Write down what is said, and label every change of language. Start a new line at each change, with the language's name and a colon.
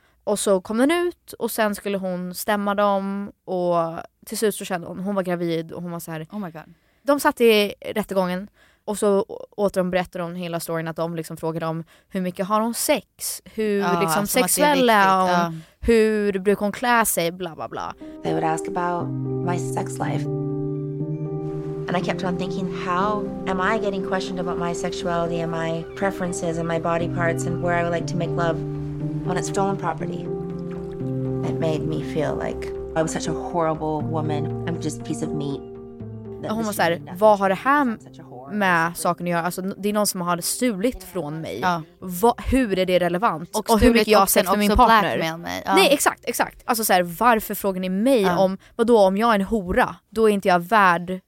Swedish: Och så kom den ut och sen skulle hon stämma dem och till slut så kände hon var gravid och hon var så här,
English: oh my god.
Swedish: De satt i rättegången och så åter de berättade om hela storyn, att de liksom frågade om hur mycket har hon sex, hur liksom sexuell är hon, hur brukar hon klä sig, bla bla bla.
English: They would ask about my sex life. And I kept on thinking, how am I getting questioned about my sexuality and my preferences and my body parts and where I would like to make love? When it's stolen property, it made me feel like I was such a horrible woman. I'm just a piece of meat.
Swedish: Hon var såhär, vad har det här med saken att göra? Alltså, det är någon som har stulit från mig. Ja. Hur är det relevant? Och hur mycket jag har sett för min partner? Med mig. Ja. Nej, exakt. Alltså, så här, varför frågar ni mig om, vadå, om jag är en hora? Då är inte jag värd min...